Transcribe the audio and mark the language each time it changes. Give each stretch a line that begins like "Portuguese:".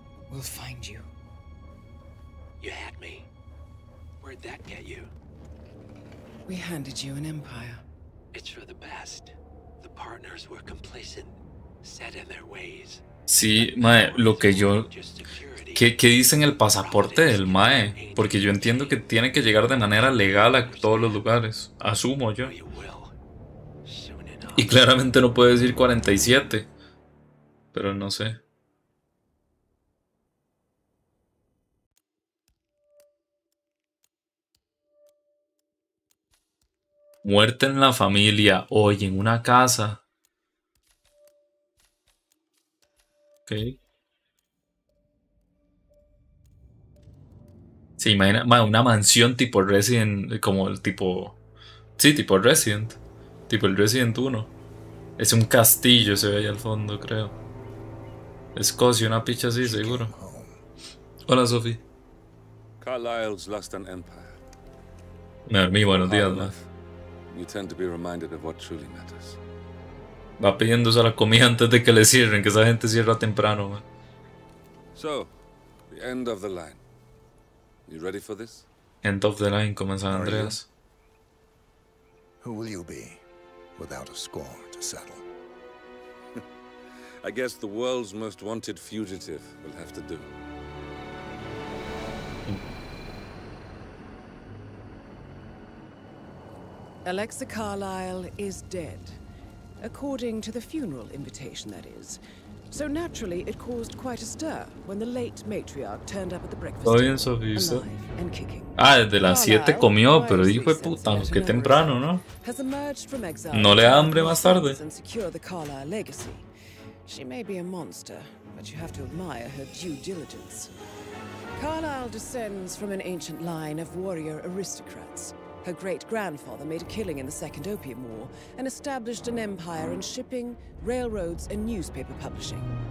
English: We'll find you. You had me. Where'd that get you? We handed you an empire. It's for the best. The partners were complacent, set in their ways.
Spanish: Sí, mae, lo que yo... ¿Qué dice en el pasaporte del mae? Porque yo entiendo que tiene que llegar de manera legal a todos los lugares. Asumo yo. Y claramente no puede decir 47. Pero no sé. Muerte en la familia. Oye, en una casa.
English: Okay.
Spanish: Se imagina una mansión tipo Resident, como el tipo, sí, tipo Resident, tipo el Resident 1. Es un castillo, se ve ahí al fondo, creo. Escocia, una picha así, seguro. Hola, Sophie.
English: Carlyle's lost an empire.
Spanish: Me dormí, buenos días, ma.
English: You tend to be reminded of what truly matters.
Spanish: Va pidiéndose la comida antes de que le cierren, que esa gente cierra temprano, man.
English: So, the end of the line. You ready for this? End of the line, como en San Andreas. Who will you be without a score to settle? I guess the world's most wanted fugitive will have to do. Alexa Carlyle is dead. According to the funeral invitation, that is. So naturally, it caused quite a stir when the late matriarch turned up at the breakfast table, alive and kicking.
Spanish: Desde las 7 comió, pero dijo, puta, qué temprano, ¿no? No le da hambre más tarde.
English: And secure the Carlyle legacy. She may be a monster, but you have to admire her due diligence. Carlyle descends from an ancient line of warrior aristocrats. Her great-grandfather made a killing in the Second Opium War and established an empire in shipping, railroads, and newspaper publishing.